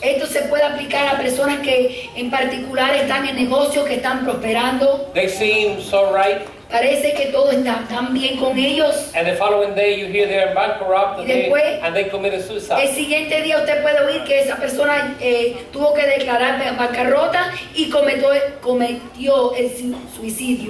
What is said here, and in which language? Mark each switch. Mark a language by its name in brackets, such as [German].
[Spanish] Esto se puede aplicar a personas que en particular están en negocios, que están prosperando. [English] They seem so right. [Spanish] Parece que todo está tan bien con ellos. [English] And the following day you hear they're bankrupt and, [Spanish] después, [English] they committed suicide. [Spanish] El siguiente día usted puede oír que esa persona tuvo que declarar bancarrota y cometió el suicidio.